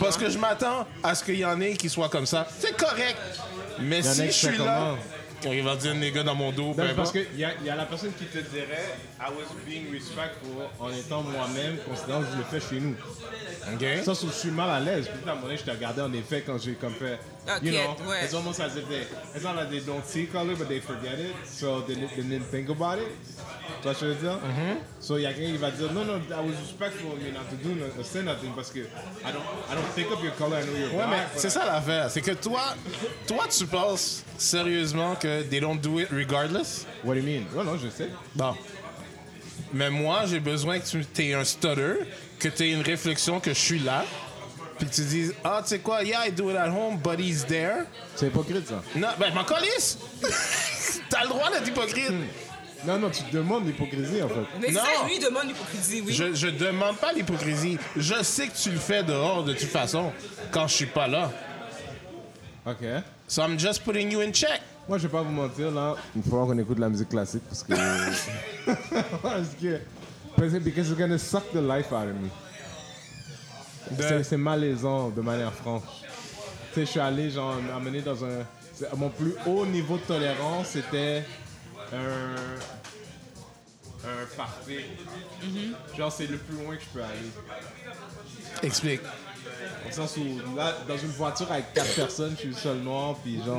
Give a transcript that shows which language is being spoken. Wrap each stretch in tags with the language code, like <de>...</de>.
<fr>Parce que je m'attends à ce qu'il y en ait qui soient comme ça. C'est correct. Mais si je suis là, quand il va dire les gars dans mon dos, ben parce qu'il y a la personne qui te dirait «</fr> <en>I was being respectful</en> <fr>en étant moi-même, considérant que je le fais chez nous. » OK. Ça, je suis mal à l'aise. Puis à un moment donné, je te regardais en effet quand j'ai comme fait...</fr> <en>Okay, you know,</en> <fr>ouais.</fr> <en>It's almost as if it's not like they don't see color, but they forget it, so they didn't think about it.</en> <fr>Tu vois ce que je veux dire? Mm-hmm.</fr> <en>So,</en> <fr>y a quelqu'un qui va dire, non,</fr> <en>I was respectful, you know, to do nothing, say nothing,</en> <fr>parce que</fr> <en>I don't pick up your color, I know your</en> <fr>black. Ouais, mais c'est ça l'affaire, c'est que toi, tu penses sérieusement que</fr> <en>they don't do it regardless? What do you mean?</en> <fr>Non, je sais. Bon. Mais moi, j'ai besoin que tu aies un stutter, que tu aies une réflexion que je suis là. Puis tu dis, ah, tu sais quoi,</fr> <en>yeah, I do it at home, but he's there.</en> <fr>C'est hypocrite, ça. Non, ben, je m'en colisse. T'as le droit d'être hypocrite. Non, non, tu demandes l'hypocrisie, en fait. Mais c'est ça, lui demande l'hypocrisie, oui. Je demande pas l'hypocrisie. Je sais que tu le fais dehors, de toute façon, quand je suis pas là. OK.</fr> <en>So I'm just putting you in check.</en> <fr>Moi, je vais pas vous mentir, là. Il faut qu'on écoute la musique classique, parce que...</fr> <en>Because it's gonna suck the life out of me.</en> <fr>C'est malaisant de manière franche. Tu sais, je suis allé, genre, amené dans un. Mon plus haut niveau de tolérance, c'était un party. Mm-hmm. Genre, c'est le plus loin que je peux aller. Explique. Dans le sens où, là, dans une voiture avec 4 personnes, je suis le seul noir, puis genre,</fr>